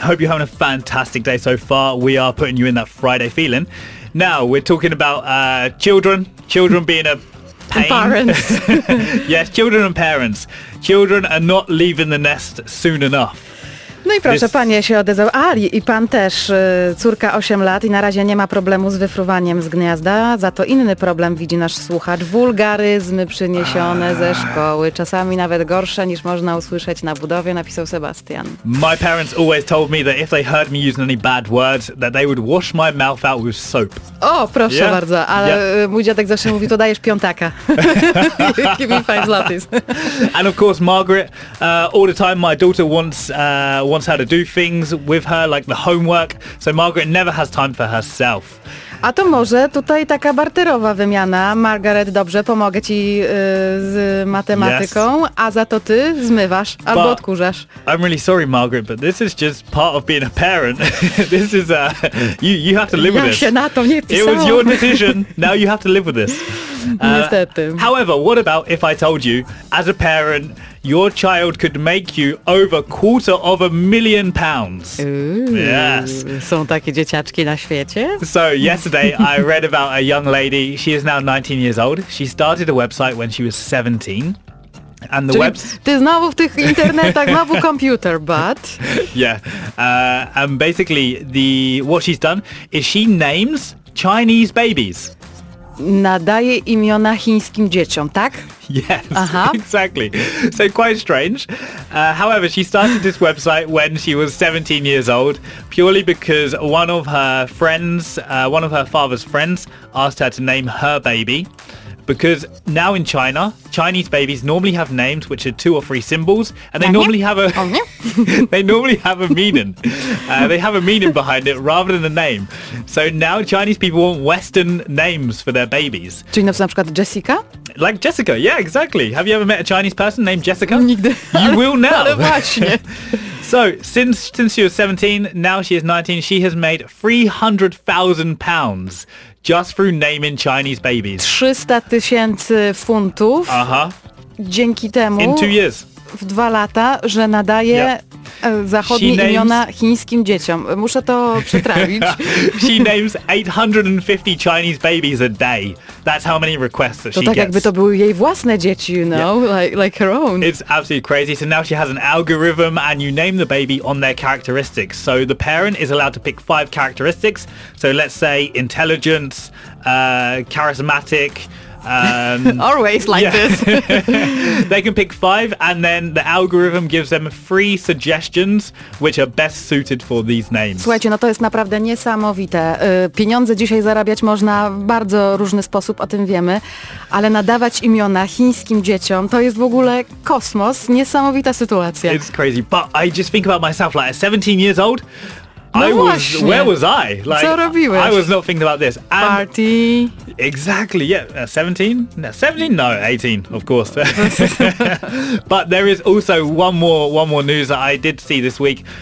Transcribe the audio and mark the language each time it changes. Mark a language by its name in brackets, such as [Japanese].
[English] Hope you're having a fantastic day so far. We are putting you in that Friday feeling. Now, we're talking about children being a pain. And parents. Yes, children and parents. Children are not leaving the nest soon enough. [Polish] No i proszę, panie się odezwał. A, i pan też, córka 8 lat i na razie nie ma problemu z wyfruwaniem z gniazda, za to inny problem widzi nasz słuchacz, wulgaryzmy przyniesione ze szkoły, czasami nawet gorsze niż można usłyszeć na budowie, napisał Sebastian. [English] My parents always told me that if they heard me using any bad words, that they would wash my mouth out with soap. [Polish] O, proszę [English] yeah? [Polish] bardzo, ale yeah. mój dziadek zawsze mówi, to dajesz piątaka. [English] Give me 5 zlotys. And of course, Margaret, all the time my daughter wants... wants her to do things with her, like the homework, so Margaret never has time for herself. [Polish] A to może tutaj taka barterowa wymiana. Margaret, dobrze, pomogę ci z matematyką, [English] yes. [Polish] a za to ty zmywasz albo [English] but [Polish] odkurzasz. [English] I'm really sorry, Margaret, but this is just part of being a parent. This is a... You have to live [Polish] ja [English] with this. [Polish] Ja się na to nie pisałam. [English] It was your decision. Now you have to live with this. [Polish] Niestety. [English] However, what about if I told you, as a parent, your child could make you over £250,000. Ooh, yes. [Polish] Są takie dzieciaczki na świecie? [English] So yesterday I read about a young lady. She is now 19 years old. She started a website when she was 17. And the web... [Polish] Ty znowu w tych internetach, znowu komputer, [English] but... Yeah. And basically, what she's done is she names Chinese babies. [Polish] Nadaje imiona chińskim dzieciom, tak? [English] Yes, exactly. So quite strange. However, she started this website when she was 17 years old, purely because one of her father's friends asked her to name her baby. Because now in China, Chinese babies normally have names which are 2 or 3 symbols, and they normally have a meaning. They have a meaning behind it rather than a name. So now Chinese people want Western names for their babies. [Polish] Czyli na przykład Jessica? [English] Like Jessica, yeah, exactly. Have you ever met a Chinese person named Jessica? [Polish] Nigdy. [English] You will now. [Polish] Ale właśnie. [English] So since she was 17, now she is 19, she has made £300,000. Just through naming Chinese babies. [Polish] 300 tysięcy funtów. Aha. Dzięki temu. [English] In 2 years. [Polish] W 2 lata, że nadaje [English] yep. [Polish] zachodnie [English] names... [Polish] imiona chińskim dzieciom. Muszę to przetrawić. [English] She names 850 Chinese babies a day. That's how many requests that [Polish] to [English] she [Polish] tak To tak jakby to były jej własne dzieci, [English] you know, yep. like her own. It's absolutely crazy. So now she has an algorithm and you name the baby on their characteristics. So the parent is allowed to pick 5 characteristics. So let's say intelligence, charismatic, always like this. They can pick 5 and then the algorithm gives them 3 suggestions which are best suited for these names. [Polish] Słuchajcie, no to jest naprawdę niesamowite. Pieniądze dzisiaj zarabiać można w bardzo różny sposób, o tym wiemy, ale nadawać imiona chińskim dzieciom to jest w ogóle kosmos, niesamowita sytuacja. [English] It's crazy, but I just think about myself, like at 17 years old, [Polish] no [English] I was, where was I? Like, [Polish] co robiłeś? [English] I was not thinking about this. And party. Exactly, yeah. 17? No, 18, of course. But there is also one more news that I did see this week.